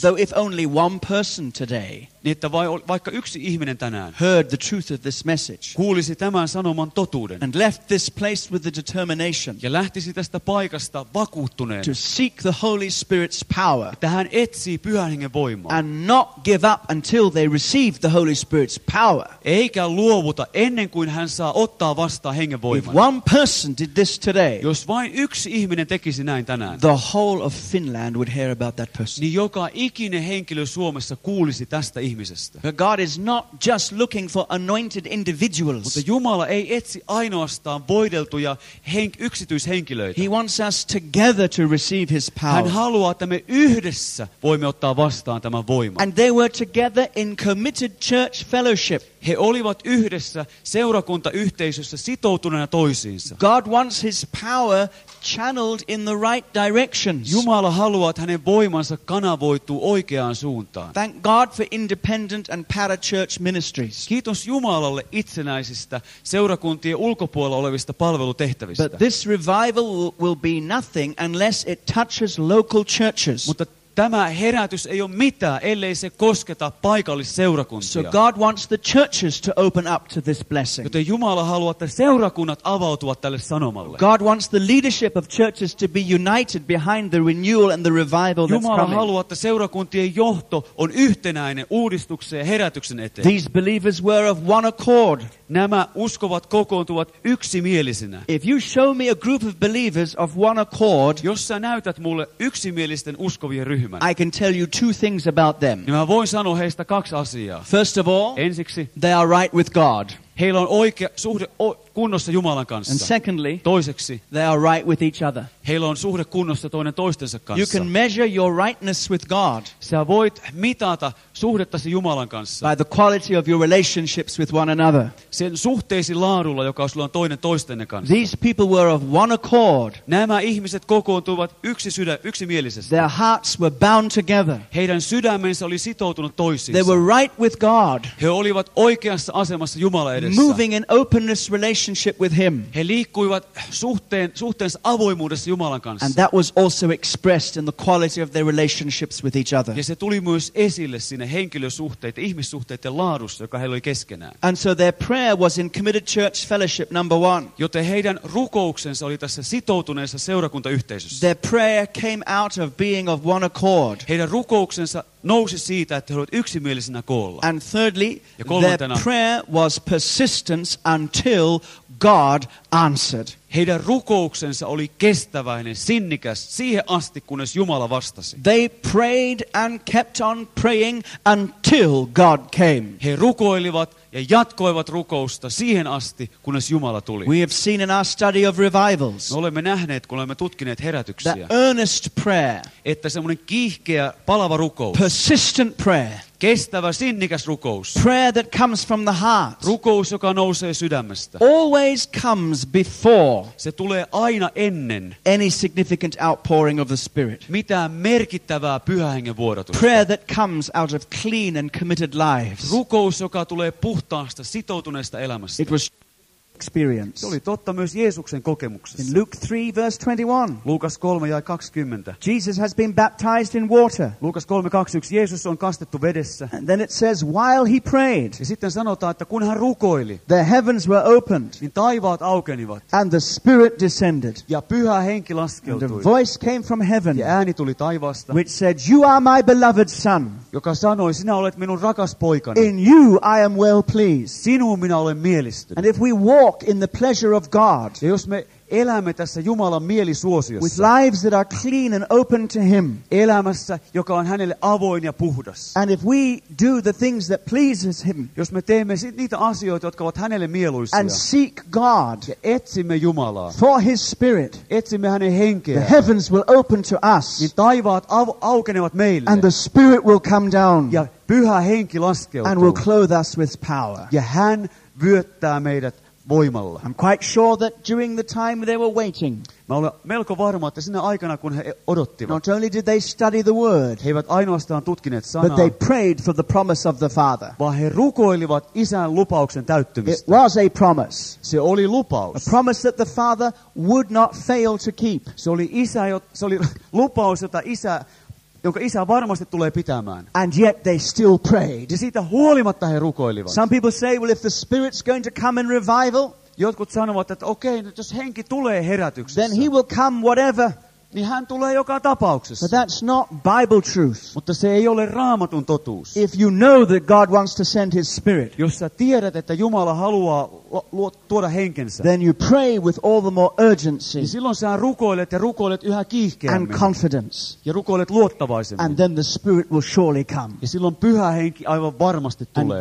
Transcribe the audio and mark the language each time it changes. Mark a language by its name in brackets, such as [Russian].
[English] Though if only one person today. [Finnish] niin että vaikka yksi ihminen tänään [English] heard the truth of this message, [Finnish] kuulisi tämän sanoman totuuden [English] and left this place with the determination, [Finnish] ja lähtisi tästä paikasta vakuuttuneen [English] to seek the Holy Spirit's power, [Finnish] että hän etsii Pyhän Hengen voimaa [English] and not give up until they receive the Holy Spirit's power, [Finnish] eikä luovuta ennen kuin hän saa ottaa vastaan Hengen voiman. [English] If one person did this today, [Finnish] jos vain yksi ihminen tekisi näin tänään, [English] the whole of Finland would hear about that person, [Finnish] niin joka ikinen henkilö Suomessa kuulisi tästä. [English] But God is not just looking for anointed individuals. [Finnish] Mutta Jumala ei etsi ainoastaan voideltuja yksityishenkilöitä. [English] He wants us together to receive his power. [Finnish] Hän haluaa, että me yhdessä voimme ottaa vastaan tämän voiman. [English] And they were together in committed church fellowship. [Finnish] He olivat yhdessä seurakuntayhteisössä sitoutuneena toisiinsa. [English] God wants his power channeled in the right directions. [Finnish] Jumala haluaa, että hänen voimansa kanavoituu oikeaan suuntaan. [English] Thank God for independent and parachurch ministries. [Finnish] Kiitos Jumalalle itsenäisistä seurakuntien ulkopuolella olevista palvelutehtävistä. [English] But this revival will be nothing unless it touches local churches. [Finnish] Mutta tämä herätys ei ole mitään, ellei se kosketa paikallisseurakuntia. [English] So God wants the churches to open up to this blessing. [Finnish] Joten Jumala haluaa, että seurakunnat avautuvat tälle sanomalle. [English] God wants the leadership of churches to be united behind the renewal and the revival that's coming. [Finnish] Jumala haluaa, että seurakuntien johto on yhtenäinen uudistuksen ja herätyksen eteen. [English] These believers were of one accord. [Finnish] Nämä uskovat kokoontuvat yksimielisinä. [English] If you show me a group of believers of one accord, [Finnish] jos sä näytät mulle yksimielisten uskovien ryhmän, [English] I can tell you two things about them. [Finnish] Niin mä voin sanoa heistä kaksi asiaa. [English] First of all, [Finnish] ensiksi, [English] they are right with God. [Finnish] Heillä on oikea suhde kunnossa Jumalan kanssa. [English] And secondly, [Finnish] toiseksi, [English] they are right with each other. [Finnish] Heillä on suhde kunnossa toinen toistensa kanssa. [English] You can measure your rightness with God. [Finnish] Sä voit mitata suhdettasi Jumalan kanssa. [English] By the quality of your relationships with one another. [Finnish] Sen suhteesi laadulla, joka sulla on toinen toistenne kanssa. [English] These people were of one accord. [Finnish] Nämä ihmiset kokoontuivat yksimielisesti. [English] Their hearts were bound together. [Finnish] Heidän sydämensä oli sitoutunut toisiinsa. [English] They were right with God. [Finnish] He olivat oikeassa asemassa Jumala edessä. [English] Moving in openness relationship with him. [Finnish] He liikkuivat suhteensa avoimuudessa Jumalan kanssa. [English] And that was also expressed in the quality of their relationships with each other. [Finnish] Ja se tuli myös esille siinä henkilösuhteiden, ihmissuhteiden laadussa, joka heillä oli keskenään. [English] And so their prayer was in committed church fellowship number one. [Finnish] Joten heidän rukouksensa oli tässä sitoutuneessa seurakuntayhteisössä. [English] Their prayer came out of being of one accord. [Finnish] Heidän rukouksensa nousi siitä, että he olivat yksimielisinä koolla. [English] And thirdly, their prayer was persistence until God answered. [Finnish] Heidän rukouksensa oli kestäväinen, sinnikäs siihen asti, kunnes Jumala vastasi. [English] They prayed and kept on praying until God came. [Finnish] He rukoilivat ja jatkoivat rukousta siihen asti, kunnes Jumala tuli. [English] We have seen in our study of revivals. [Finnish] Me olemme nähneet, kun olemme tutkineet herätyksiä. [English] That earnest prayer. [Finnish] Että semmoinen kiihkeä, palava rukous. [English] Persistent prayer. [Finnish] Kestävä, sinnikäs rukous. [English] Prayer that comes from the heart. [Finnish] Rukous, joka nousee sydämestä. [English] Always comes before. [Finnish] Se tulee aina ennen. [English] Any significant outpouring of the Spirit. [Finnish] Mitään merkittävää Pyhän Hengen vuodatusta. [English] Prayer that comes out of clean and committed lives. [Finnish] Rukous, joka tulee puhtaasta, sitoutuneesta elämästä. [English] It was experience. [Finnish] Se oli totta myös Jeesuksen kokemuksessa. [English] In Luke 3 verse 21. [Finnish] Lukas 3 jae 20. [English] Jesus has been baptized in water. [Finnish] Lukas 3:21. Jeesus on kastettu vedessä. [English] And then it says while he prayed. [Finnish] Ja sitten sanotaan, että kun hän rukoili. [English] The heavens were opened. [Finnish] Niin taivaat aukenivat. [English] And the Spirit descended. [Finnish] Ja Pyhä Henki laskeutui. [English] And a voice came from heaven. [Finnish] Ja ääni tuli taivaasta. [English] Which said, you are my beloved son. [Finnish] Joka sanoi, sinä olet minun rakas poikani. [English] In you I am well pleased. [Finnish] Sinuun minä olen mielistynyt. [English] And if we walk in the pleasure of God. [Finnish] Ja jos me elämme tässä Jumalan mielisuosiossa. [English] With lives that are clean and open to him. [Finnish] Elämässä, joka on hänelle avoin ja puhdas. [English] And if we do the things that pleases him. [Finnish] Jos me teemme niitä asioita, jotka ovat hänelle mieluisia. [English] And seek God. [Finnish] Ja etsimme Jumalaa. [English] For his Spirit. [Finnish] Etsimme hänen henkeään. [English] The heavens will open to us. [Finnish] Niin taivaat aukenevat meille. [English] And the Spirit will come down. [Finnish] Ja Pyhä Henki laskeutuu. [English] And will clothe us with power. [Finnish] Ja hän vyöttää meidät voimalla. [English] I'm quite sure that during the time they were waiting. [Finnish] Mä olen melko varma, että sinä aikana kun he odottivat. [English] Not only did they study the word. [Finnish] He eivät ainoastaan tutkineet sanaa. [English] But they prayed for the promise of the Father. [Finnish] Vaan he rukoilivat isän lupauksen täyttymistä. [English] It was a promise. [Finnish] Se oli lupaus. [English] A promise that the Father would not fail to keep. [Finnish] Se oli lupaus, jota isä jonka isä varmasti tulee pitämään. [English] And yet they still prayed. [Finnish] Ja siitä huolimatta he rukoilivat. [English] Some people say, well, if the Spirit's going to come in revival, [Finnish] jotkut sanovat, että okei, nyt jos henki tulee herätyksessä, [English] then he will come whatever. [Finnish] Niin hän tulee joka tapauksessa. [English] But that's not Bible truth. [Finnish] Mutta se ei ole Raamatun totuus. [English] If you know that God wants to send his Spirit, [Finnish] jos sä tiedät, että Jumala haluaa tuoda henkensä, [English] then you pray with all the more urgency, [Finnish] niin silloin sä rukoilet ja rukoilet yhä kiihkeämmin, [English] and confidence, [Finnish] ja rukoilet luottavaisemmin, [English] and then the Spirit will surely come, [Finnish] ja silloin Pyhä Henki aivan varmasti tulee,